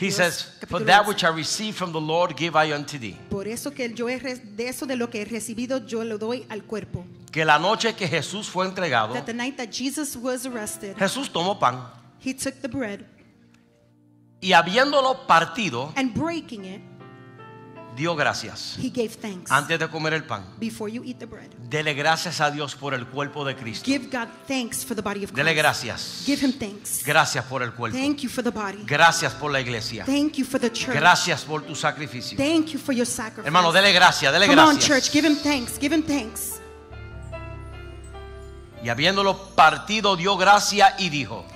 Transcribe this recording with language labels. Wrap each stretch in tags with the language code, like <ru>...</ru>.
<en>he says, for that which I received from the Lord give I unto thee.</en> <es>Por eso que yo de eso de lo que he recibido yo lo doy al cuerpo. Que la noche que Jesús fue entregado,</es> <en>that the night that Jesus was arrested,</en> <es>Jesús tomó pan.</es> <en>He took the bread.</en> <es>Y habiéndolo partido,</es> <en>and breaking it,</en> <es>dio gracias.</es> <en>He gave thanks.</en> <es>Antes de comer el pan,</es> <en>before you eat the bread,</en> <es>dele gracias a Dios por el cuerpo de Cristo.</es> <en>Give God thanks for the body of Christ.</en> <es>Dele gracias.</es> <en>Give him thanks.</en> <es>Gracias por el cuerpo.</es> <en>Thank you for the body.</en> <es>Gracias por la iglesia.</es> <en>Thank you for the church.</en> <es>Gracias por tu sacrificio.</es> <en>Thank you for your sacrifice.</en> <es>Hermano, dele gracias, dele</es> <en>Come</en> <es>gracias.</es> <en>Come on, church, give him thanks. Give him thanks.</en> <es>Y habiéndolo partido, dio gracias y dijo.</es>